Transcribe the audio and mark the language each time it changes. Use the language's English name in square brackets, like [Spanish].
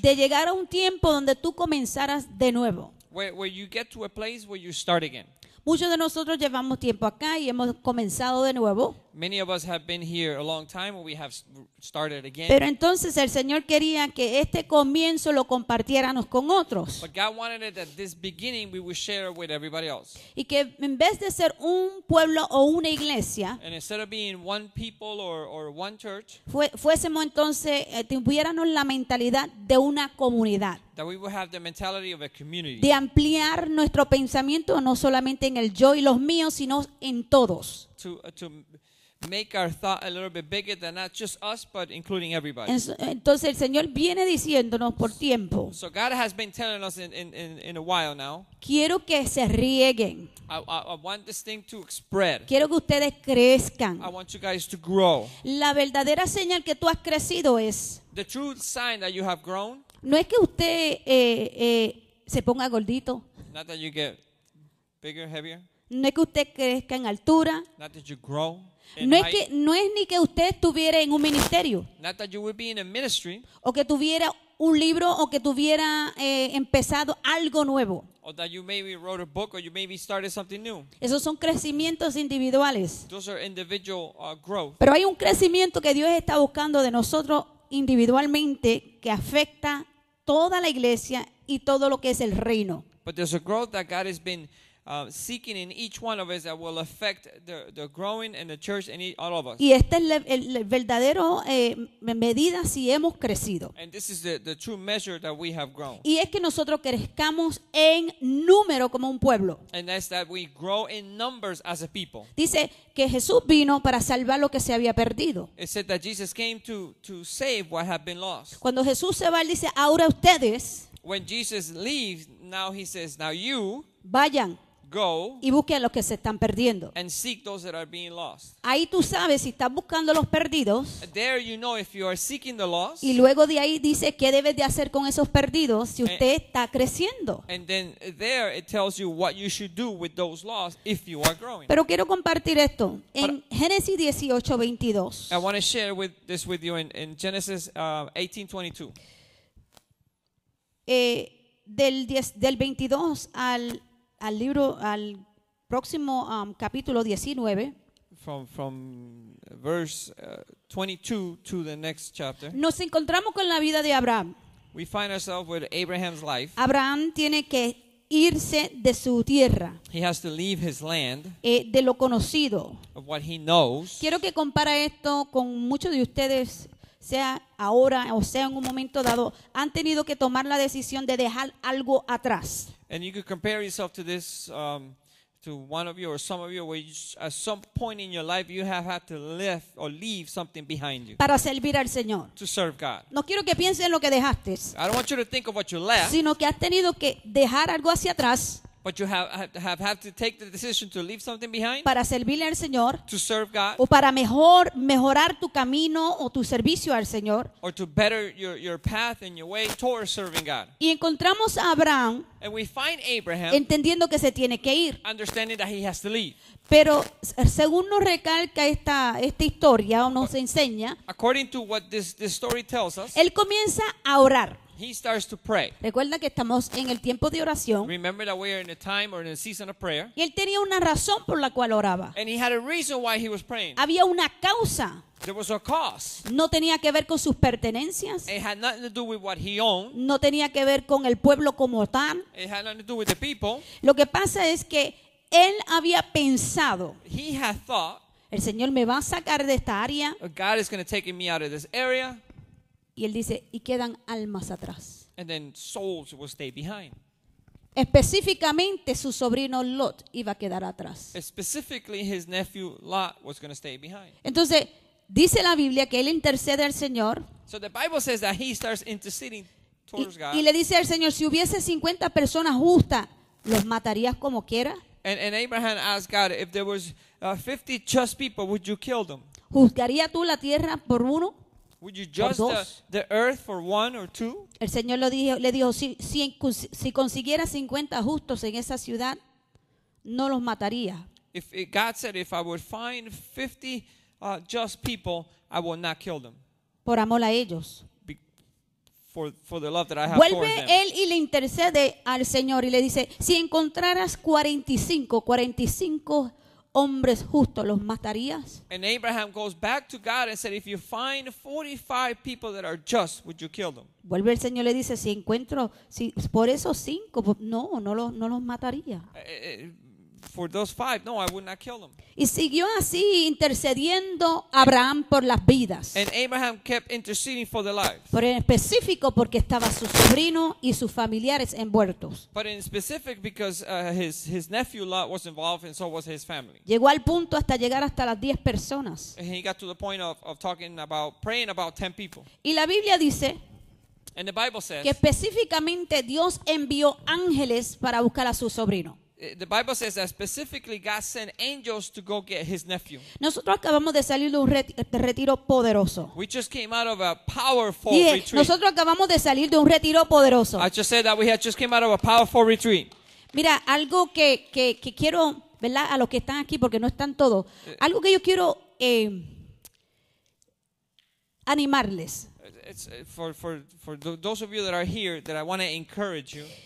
[Spanish] De llegar a un tiempo donde tú comenzaras de nuevo. [English] Where you get to a place where you start again. [Spanish] Muchos de nosotros llevamos tiempo acá y hemos comenzado de nuevo. [English] Many of us have been here a long time and we have started again. [Spanish] Pero entonces el Señor quería que este comienzo lo compartiéramos con otros. [English] But God wanted it that this beginning we would share with everybody else. [Spanish] Y que en vez de ser un pueblo o una iglesia, [English] and instead of being one people or one church, [Spanish] fuésemos entonces, tuviéramos la mentalidad de una comunidad. [English] That we would have the mentality of a community. [Spanish] De ampliar nuestro pensamiento no solamente en el yo y los míos, sino en todos. [English] To make our thought a little bit bigger than not just us, but including everybody. [Spanish] Entonces el Señor viene diciéndonos por tiempo. [English] So God has been telling us in a while now. [Spanish] Quiero que se rieguen. [English] I want this thing to spread. [Spanish] Quiero que ustedes crezcan. [English] I want you guys to grow. [Spanish] La verdadera señal que tú has crecido es. [English] The true sign that you have grown. [Spanish] No es que usted se ponga gordito. [English] Not that you get bigger, heavier. [Spanish] No es que usted crezca en altura. [English] Not that you grow. [Spanish] No es ni que usted estuviera en un ministerio. [English] Not that you would be in a ministry. [Spanish] O que tuviera un libro o que tuviera empezado algo nuevo. [English] Or that you maybe wrote a book or you maybe started something new. [Spanish] Esos son crecimientos individuales. [English] Those are individual growth. [Spanish] Pero hay un crecimiento que Dios está buscando de nosotros individualmente que afecta toda la iglesia y todo lo que es el reino. [English] But there's a growth that God has been seeking in each one of us that will affect the growing and the church and all of us. [Spanish] Y este es el verdadero medida si hemos crecido. [English] And this is the true measure that we have grown. [Spanish] Y es que nosotros crezcamos en número como un pueblo. [English] And that's that we grow in numbers as a people. [Spanish] Dice que Jesús vino para salvar lo que se había perdido. [English] It said that Jesus came to save what had been lost. [Spanish] Cuando Jesús se va, él dice, ahora ustedes. [English] When Jesus leaves, now he says, now you. [Spanish] Vayan. [English] Go [Spanish] y busque a los que se están perdiendo. [English] And seek those that are being lost. [Spanish] Ahí tú sabes si estás buscando los perdidos. [English] There you know if you are seeking the lost. [Spanish] Y luego de ahí dice qué debes de hacer con esos perdidos si usted está creciendo. [English] And then there it tells you what you should do with those lost if you are growing. [Spanish] Pero quiero compartir esto en Génesis 18:22. [English] I want to share with this with you in Genesis 18:22. [Spanish] Del 22 al libro, al próximo capítulo 19. [English] From verse 22 to the next chapter. [Spanish] Nos encontramos con la vida de Abraham. [English] We find ourselves with Abraham's life. [Spanish] Abraham tiene que irse de su tierra. [English] He has to leave his land. [Spanish] De lo conocido. [English] Of what he knows. [Spanish] Quiero que compara esto con muchos de ustedes, sea ahora o sea en un momento dado, han tenido que tomar la decisión de dejar algo atrás. [English] And you could compare yourself to this, to one of you or some of you, where you, at some point in your life you have had to leave or leave something behind you. [Spanish] Para servir al Señor. [English] To serve God. [Spanish] No quiero que pienses en lo que dejaste. [English] I don't want you to think of what you left. [Spanish] Sino que has tenido que dejar algo hacia atrás. [English] But you have to take the decision to leave something behind. [Spanish] Para servirle al Señor. [English] To serve God. [Spanish] O para mejorar tu camino o tu servicio al Señor. [English] Or to better your path and your way towards serving God. [Spanish] Y encontramos a Abraham. [English] And we find Abraham. [Spanish] Entendiendo que se tiene que ir. [English] Understanding that he has to leave. [Spanish] Pero según nos recalca esta historia o nos enseña. [English] According to what this story tells us. [Spanish] Él comienza a orar. [English] He starts to pray. [Spanish] Recuerda que estamos en el tiempo de oración. [English] Remember that we are in a time or in a season of prayer. [Spanish] Y él tenía una razón por la cual oraba. [English] And he had a reason why he was praying. [Spanish] Había una causa. [English] There was a cause. [Spanish] No tenía que ver con sus pertenencias. [English] It had nothing to do with what he owned. [Spanish] No tenía que ver con el pueblo como tal. [English] It had nothing to do with the people. [Spanish] Lo que pasa es que él había pensado. [English] He had thought. [Spanish] El Señor me va a sacar de esta área. [English] God is going to take me out of this area. [Spanish] Y él dice, y quedan almas atrás. [English] And then souls will stay behind. [Spanish] Específicamente su sobrino Lot iba a quedar atrás. [English] Specifically his nephew Lot was going to stay behind. [Spanish] Entonces, dice la Biblia que él intercede al Señor. [English] So the Bible says that he starts interceding towards God. [Spanish] Y le dice al Señor, si hubiese 50 personas justas, ¿los matarías como quiera? [English] And Abraham asked God, if there was 50 just people, would you kill them? [Spanish] ¿Juzgaría tú la tierra por uno? [English] Would you judge the earth for one or two? [Spanish] El Señor lo dijo, le dijo, si consiguiera 50 justos en esa ciudad, no los mataría. [English] God said, if I would find 50 just people, I would not kill them. [Spanish] Por amor a ellos. [English] For the love that I have [Spanish] Vuelve [English] for them. [Spanish] Él y le intercede al Señor y le dice, si encontraras 45 hombres justos, ¿los matarías? [English] And Abraham goes back to God and said, if you find 45 people that are just, would you kill them? [Spanish] Vuelve el Señor y le dice, si encuentro, si por esos cinco, no los mataría. [English] For those five, no, I would not kill them. [Spanish] Y siguió así intercediendo Abraham por las vidas. [English] And Abraham kept interceding for the lives. [Spanish] Pero en específico porque estaba su sobrino y sus familiares envueltos. [English] But in specific because his nephew Lot was involved and so was his family. [Spanish] Llegó al punto hasta llegar hasta las 10 personas. [English] And he got to the point of talking about praying about 10 people. [Spanish] Y la Biblia dice. [English] And the Bible says. [Spanish] Que específicamente Dios envió ángeles para buscar a su sobrino. [English] The Bible says that specifically God sent angels to go get his nephew. [Spanish] Nosotros acabamos de salir de un retiro poderoso. [English] We just came out of a powerful retreat. [Spanish] Nosotros acabamos de salir de un retiro poderoso. [English] I just said that we had just came out of a powerful retreat. [Spanish] Mira, algo que quiero, ¿verdad? A los que están aquí porque no están todos. Algo que yo quiero animarles. [English] It's for those of you that are here that I want to encourage you.